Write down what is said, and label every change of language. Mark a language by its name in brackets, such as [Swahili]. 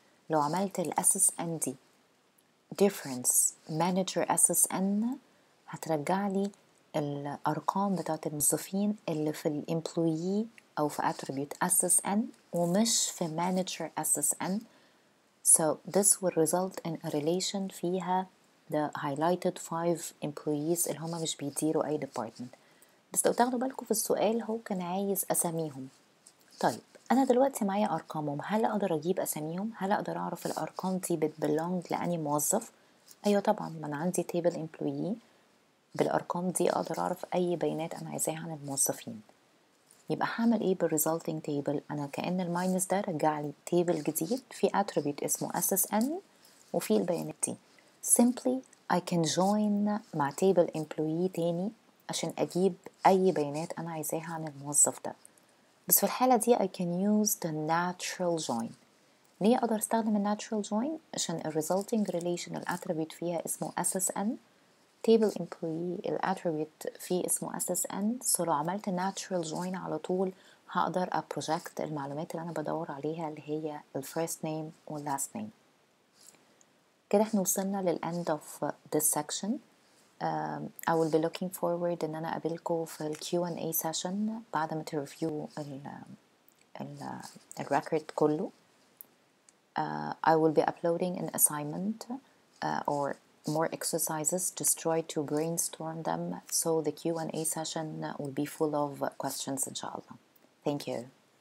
[Arabic] لو عملت SSN دي [English] difference manager SSN [Arabic] هترجع لي الأرقام بتاعت الموظفين اللي في الامبلويي أو في attribute SSN ومش في manager SSN. [English] So this will result in a relation [Arabic] فيها [English] the highlighted five employees [Arabic] اللي هما مش بيديروا أي [English] department. [Arabic] بس لو تاخدوا بالكم في السؤال هو كان عايز أساميهم. طيب أنا دلوقتي معايا أرقامهم، هل أقدر أجيب أساميهم؟ هل أقدر أعرف الأرقام دي بتبلونج لأني موظف؟ أيوة طبعا، من عندي table employee بالأرقام دي أقدر أعرف أي بيانات أنا عايزاها عن الموظفين. يبقى هعمل إيه بالresulting table؟ أنا كأن الماينس ده رجع لي table جديد في attribute اسمه SSN وفي البيانات دي. [English] Simply I can join [Arabic] مع table employee تاني عشان أجيب أي بيانات أنا عايزاها عن الموظف ده. بس في الحالة دي [English] I can use the natural join. [Arabic] ليه أقدر استخدم ال natural join؟ عشان ال resulting relation ال attribute فيها اسمه SSN، table employee ال attribute فيه اسمه SSN. لو عملت natural join على طول هقدر أبروجكت المعلومات اللي أنا بدور عليها اللي هي ال first name وال last name. كده احنا وصلنا لل [English] end of this section. I will be looking forward [Arabic] إن أنا أقابلكوا في الـ [English] Q&A session [Arabic] بعد ما تريفيو الـ record كله. [English] I will be uploading an assignment or more exercises. Just try to brainstorm them so the Q&A session will be full of questions, inshallah. Thank you.